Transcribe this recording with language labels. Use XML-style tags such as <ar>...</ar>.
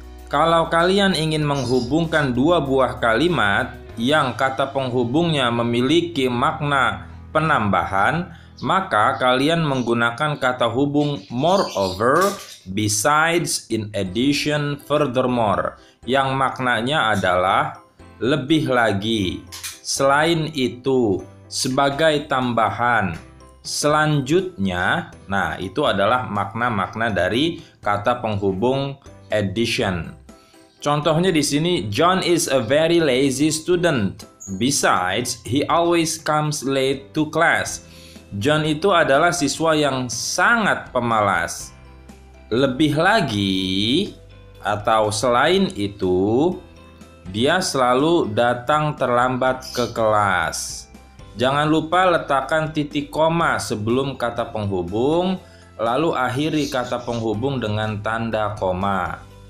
<id>Kalau kalian ingin menghubungkan dua buah kalimat yang kata penghubungnya memiliki makna penambahan, maka kalian menggunakan kata hubung</id> <en>moreover, besides, in addition, furthermore,</en> <id>yang maknanya adalah lebih lagi, selain itu, sebagai tambahan, selanjutnya. Nah, itu adalah makna-makna dari kata penghubung addition. Contohnya di sini,</id> <en>John is a very lazy student. Besides, he always comes late to class.</en> <id>John itu adalah siswa yang sangat pemalas. Lebih lagi, atau selain itu, dia selalu datang terlambat ke kelas. Jangan lupa letakkan titik koma sebelum kata penghubung, lalu akhiri kata penghubung dengan tanda koma.</id>